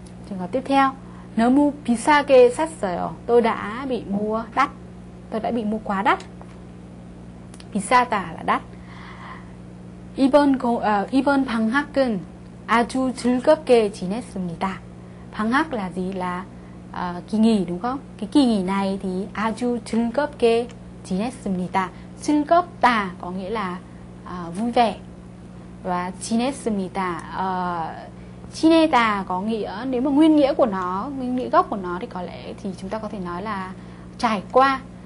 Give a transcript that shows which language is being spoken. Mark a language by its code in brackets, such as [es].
[vi] Trường hợp tiếp theo, nếu mu pisake sắt rồi, tôi đã bị mua quá đắt. Pisata là đắt. [ko] 이번 방학은 아주 즐겁게 지냈습니다. [vi] 방학 là gì? Là kỳ nghỉ, đúng không? Cái kỳ nghỉ này thì [ko] 아주 즐겁게 지냈습니다. [vi] 즐겁다 có nghĩa là vui vẻ. Và 지냈습니다, 지내다 có nghĩa, nếu mà nguyên nghĩa của nó, nguyên nghĩa gốc của nó thì có lẽ thì chúng ta có thể nói là trải qua.